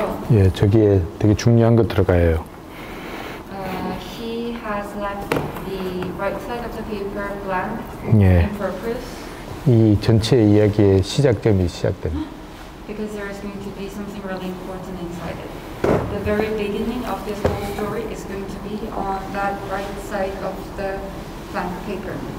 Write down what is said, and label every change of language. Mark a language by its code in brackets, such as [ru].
[ko] 예, 저기에 되게 중요한 거 들어가요. [en] He has left the right side of the paper blank. [ko] 예. [en] For purpose. [ko] 이 전체 이야기의 시작점이 시작된. [en] Because there is going to be something really important inside it. The very beginning of this whole story is going to be on that right side of the blank paper.